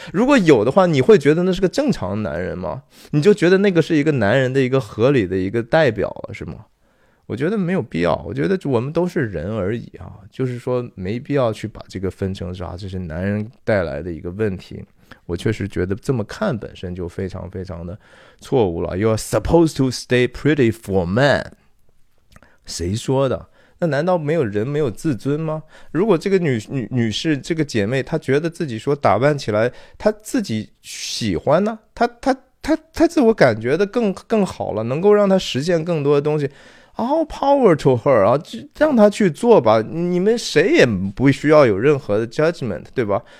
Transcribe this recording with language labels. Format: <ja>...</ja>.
<zh>如果有的话，你会觉得那是个正常男人吗？你就觉得那个是一个男人的一个合理的一个代表了是吗？我觉得没有必要，我觉得我们都是人而已啊，就是说没必要去把这个分成啥，这是男人带来的一个问题。我确实觉得这么看本身就非常非常的错误了。</zh> <en>You are supposed to stay pretty for man，</en> <zh>谁说的？那难道没有人没有自尊吗？如果这个女士这个姐妹她觉得自己说打扮起来她自己喜欢呢，她自我感觉的更好了，能够让她实现更多的东西，</zh> <en>All power to her</en> <zh>啊，让她去做吧，你们谁也不需要有任何的 judgment 对吧？</zh>